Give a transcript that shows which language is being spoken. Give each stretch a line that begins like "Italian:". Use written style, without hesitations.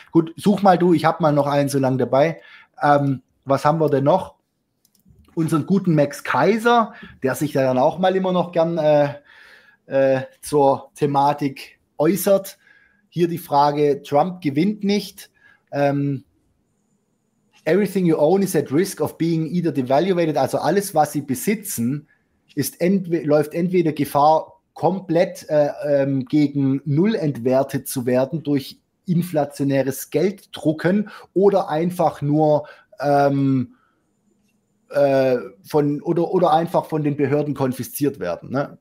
German: Gut, such mal du, ich habe mal noch einen so lange dabei. Was haben wir denn noch? Unseren guten Max Kaiser, der sich da dann auch mal immer noch gern zur Thematik äußert. Hier die Frage, Trump gewinnt nicht.
English: Everything you own is at risk of being either devaluated.
German: Also alles, was sie besitzen, läuft entweder Gefahr, komplett gegen Null entwertet zu werden durch inflationäres Gelddrucken oder einfach nur von den Behörden konfisziert werden. Ne?